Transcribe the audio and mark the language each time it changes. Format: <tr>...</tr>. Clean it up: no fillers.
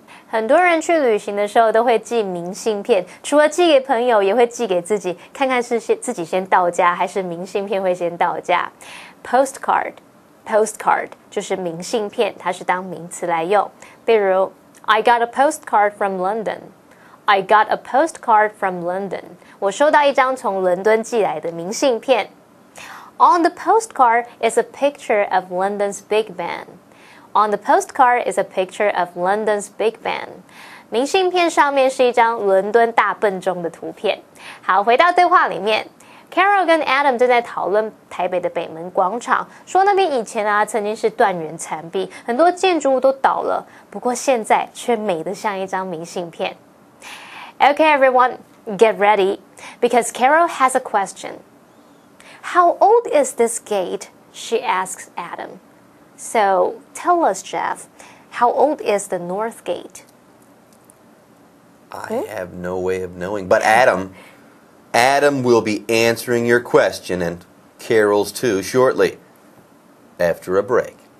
<zh>很多人去旅行的时候都会寄明信片，除了寄给朋友，也会寄给自己，看看是自己先到家，还是明信片会先到家。 Postcard, postcard 就是明信片，它是当名词来用。例如</zh> <en>I got a postcard from London. I got a postcard from London.</en> <zh>我收到一张从伦敦寄来的明信片。</zh> <en>On the postcard is a picture of London's Big Ben. On the postcard is a picture of London's Big Ben.</en> <zh>明信片上面是一张伦敦大笨钟的图片。好，回到对话里面。Carol 跟 Adam 正在讨论台北的北门广场，说那边以前啊曾经是断垣残壁，很多建筑物都倒了，不过现在却美得像一张明信片。</zh> <en>Okay, everyone, get ready, because Carol has a question. How old is this gate? She asks Adam. So, tell us, Jeff, how old is the North Gate? I have no way of knowing, but Adam will be answering your question, and Carol's too, shortly, after a break.</en>